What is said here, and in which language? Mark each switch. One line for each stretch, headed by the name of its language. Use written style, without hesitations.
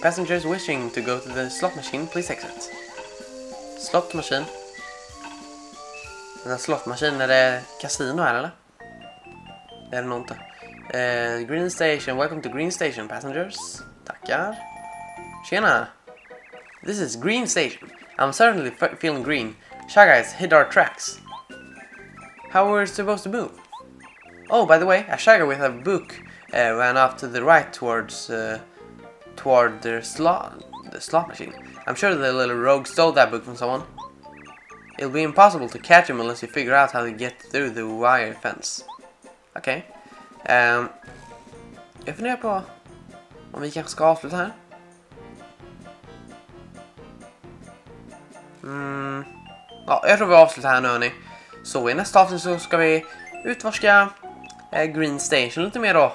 English: Passengers wishing to go to the slot machine, please exit. Slot machine.
Swedish: Den här slottmaskinen, är det kasino här eller? Är det någonting?
English: Green Station, welcome to Green Station, passengers.
Swedish: Tackar. Tjena.
English: This is Green Station. I'm certainly feeling green. Shy guys, hit our tracks. How are we supposed to move? Oh, by the way, a shy guy with a book ran off to the right toward the slot machine. I'm sure the little rogue stole that book from someone. It'll be impossible to catch him unless you figure out how to get through the wire fence.
Swedish: Okej. Jag funderar på om vi kanske ska avsluta här. Ja, jag tror vi avslutar här nu, hörni. Så i nästa avsnitt så ska vi utforska Green Station lite mer då.